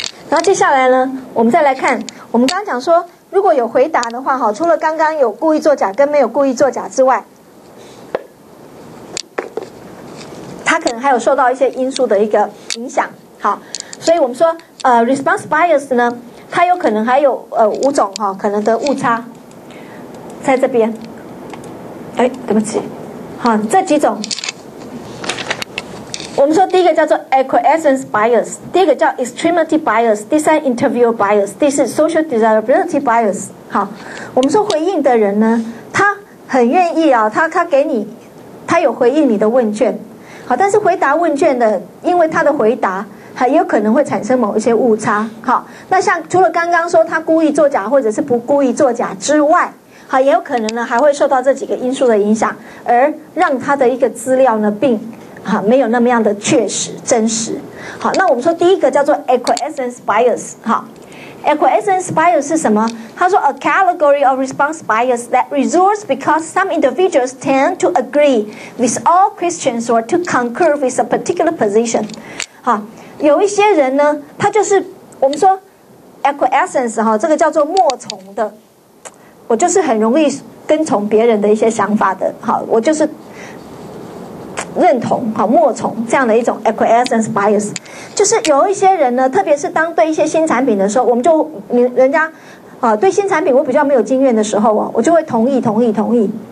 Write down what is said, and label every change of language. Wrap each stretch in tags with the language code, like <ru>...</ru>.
<zh>然后接下来呢，我们再来看，我们刚刚讲说，如果有回答的话，哈，除了刚刚有故意作假跟没有故意作假之外，他可能还有受到一些因素的一个影响。好，所以我们说，response bias 呢，它有可能还有五种哈，可能的误差，在这边。哎，对不起，好，这几种。我们说第一个叫做 acquiescence bias， 第二个叫 extremity bias， 第三 interview bias， 第四 social desirability bias。好，我们说回应的人呢，他很愿意啊，他给你，他有回应你的问卷。好，但是回答问卷的，因为他的回答还有可能会产生某一些误差。好，那像除了刚刚说他故意作假或者是不故意作假之外，好，也有可能呢还会受到这几个因素的影响，而让他的一个资料呢并好没有那么样的确实真实。好，那我们说第一个叫做 acquiescence bias。好， acquiescence bias 是什么？</zh> <en>他说 a category of response bias that results because some individuals tend to agree with all questions or to concur with a particular position。</en> <zh>好，有一些人呢，他就是我们说 acquiescence 这个叫做默从的，我就是很容易跟从别人的一些想法的。好，我就是认同，好，默从这样的一种 acquiescence bias， 就是有一些人呢，特别是当对一些新产品的时候，我们就人家啊，对新产品我比较没有经验的时候啊，我就会同意同意同意。</zh>